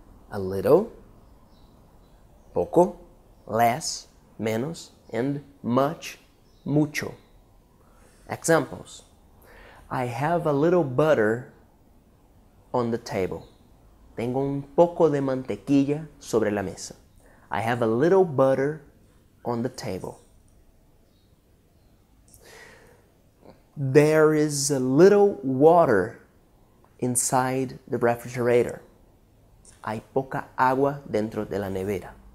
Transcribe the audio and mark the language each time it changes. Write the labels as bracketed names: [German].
[English] A little. Poco, less, menos, and much, mucho. Examples. I have a little butter on the table. [Spanish] Tengo un poco de mantequilla sobre la mesa. [English] I have a little butter on the table. There is a little water inside the refrigerator. [Spanish] Hay poca agua dentro de la nevera.